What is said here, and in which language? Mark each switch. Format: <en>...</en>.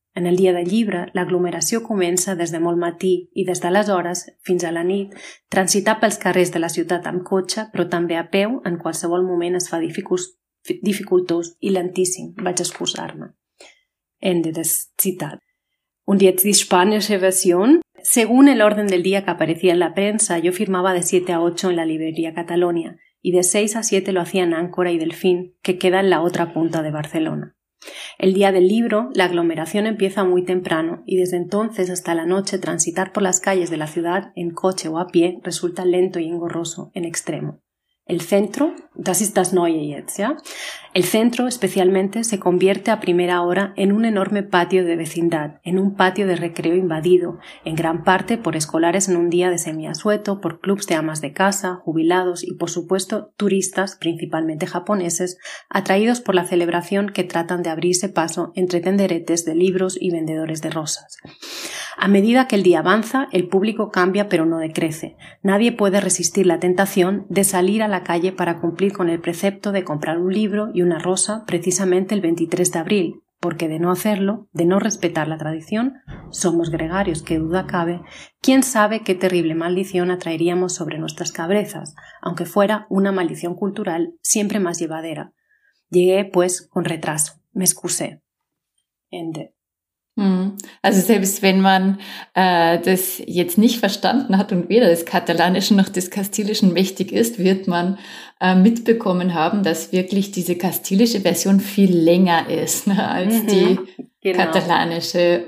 <ca>En el dia del llibre, l'aglomeració comença des de molt matí i des d'aleshores fins a la nit, transitar pels carrers de la ciutat amb cotxe, però també a peu, en qualsevol moment es fa dificultós i lentíssim. Vaig excusar-me. Ende de citat.</ca> <de>Und jetzt die spanische Version.</de> <es>Según el orden del día que aparecía en la prensa, yo firmaba de 7 a 8 en la librería Catalonia y de 6 a 7 lo hacía en Áncora y Delfín, que queda en la otra punta de Barcelona. El día del libro, la aglomeración empieza muy temprano y desde entonces hasta la noche transitar por las calles de la ciudad en coche o a pie resulta lento y engorroso en extremo. El centro,</es> <de>das ist das Neue jetzt, ja?</de> <es>El centro especialmente se convierte a primera hora en un enorme patio de vecindad, en un patio de recreo invadido, en gran parte por escolares en un día de semiasueto, por clubs de amas de casa, jubilados y por supuesto turistas, principalmente japoneses, atraídos por la celebración que tratan de abrirse paso entre tenderetes de libros y vendedores de rosas. A medida que el día avanza, el público cambia pero no decrece. Nadie puede resistir la tentación de salir a la calle para cumplir con el precepto de comprar un libro y una rosa precisamente el 23 de abril, porque de no hacerlo, de no respetar la tradición, somos gregarios, que duda cabe, quién sabe qué terrible maldición atraeríamos sobre nuestras cabezas, aunque fuera una maldición cultural siempre más llevadera. Llegué, pues, con retraso. Me excusé. Ende.</es> <de>Also selbst wenn man das jetzt nicht verstanden hat und weder des Katalanischen noch des Kastilischen mächtig ist, wird man mitbekommen haben, dass wirklich diese kastilische Version viel länger ist, ne, als die genau. Katalanische.</de>